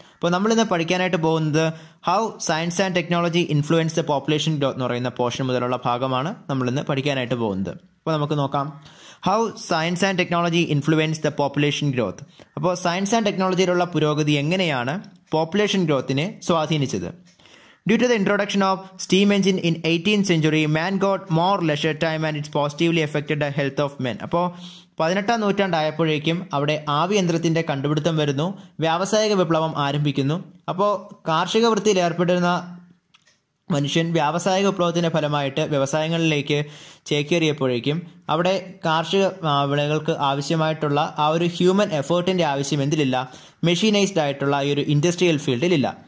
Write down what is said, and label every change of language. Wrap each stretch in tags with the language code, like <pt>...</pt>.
<ml>അപ്പോൾ നമ്മളിന്ന് പഠിക്കാനായിട്ട് പോകുന്നത്</ml> <en>how science and technology influence the population growth</en> <ml>എന്ന് പറയുന്ന പോർഷൻ മുതലുള്ള ഭാഗമാണ് നമ്മളിന്ന് പഠിക്കാനായിട്ട് പോകുന്നത്. അപ്പോൾ നമുക്ക് നോക്കാം</ml> <en>How science and technology influence the population growth.</en> <ml>അപ്പോൾ സയൻസ് ആൻഡ് ടെക്നോളജിയിലുള്ള പുരോഗതി എങ്ങനെയാണ് പോപ്പുലേഷൻ ഗ്രോത്തിനെ സ്വാധീനിച്ചത്?</ml> <en>Due to the introduction of steam engine in 18th century, man got more leisure time and it's positively affected the health of men.</en> <ml>അപ്പോൾ 18th നൂറ്റാണ്ടായപ്പോഴേക്കും അവിടെ ആവി യന്ത്രത്തിൻ്റെ കണ്ടുപിടുത്തം വരുന്നു, വ്യാവസായിക വിപ്ലവം ആരംഭിക്കുന്നു. അപ്പോൾ കാർഷിക വൃത്തിയിൽ ഏർപ്പെട്ടിരുന്ന മനുഷ്യൻ വ്യാവസായിക വിപ്ലവത്തിൻ്റെ ഫലമായിട്ട് വ്യവസായങ്ങളിലേക്ക് ചേക്കേറിയപ്പോഴേക്കും അവിടെ കാർഷിക വിളകൾക്ക് ആവശ്യമായിട്ടുള്ള ആ ഒരു ഹ്യൂമൻ എഫേർട്ടിൻ്റെ ആവശ്യം എന്തിലില്ല, മെഷീനൈസ്ഡ് ആയിട്ടുള്ള ഈ ഒരു ഇൻഡസ്ട്രിയൽ ഫീൽഡിലില്ല.</ml>